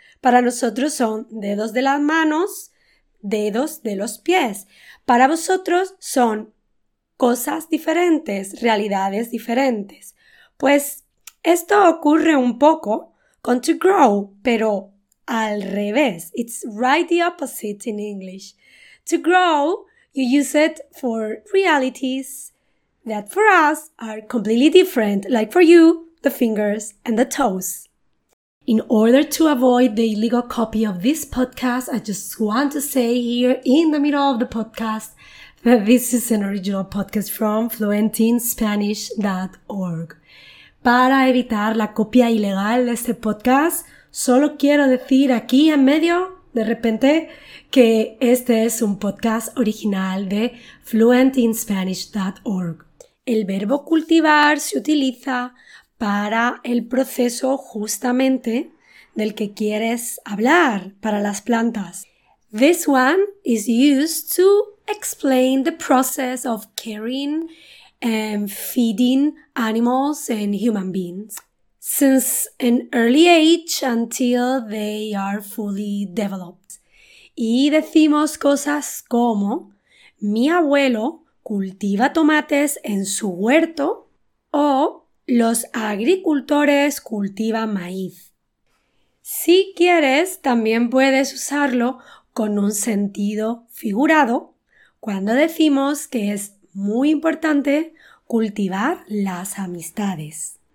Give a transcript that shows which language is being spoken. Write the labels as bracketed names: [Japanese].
[Spanish] Para nosotros son dedos de las manos, dedos de los pies. Para vosotros son cosas diferentes, realidades diferentes. Pues esto ocurre un poco con to grow, pero al revés. [English] It's right the opposite in English. To grow, you use it for realities that for us are completely different, like for you, the fingers and the toes. In order to avoid the illegal copy of this podcast, I just want to say here in the middle of the podcast, this is an original podcast from fluentinspanish.org. [Spanish] Para evitar la copia ilegal de este podcast, solo quiero decir aquí en medio, de repente, que este es un podcast original de fluentinspanish.org. El verbo cultivar se utiliza para el proceso justamente del que quieres hablar para las plantas. [English] This one is used to explain the process of caring and feeding animals and human beings since an early age until they are fully developed. [Spanish] Y decimos cosas como, mi abuelo cultiva tomates en su huerto o los agricultores cultivan maíz. Si quieres, también puedes usarlo con un sentido figurado cuando decimos que es muy importante cultivar las amistades.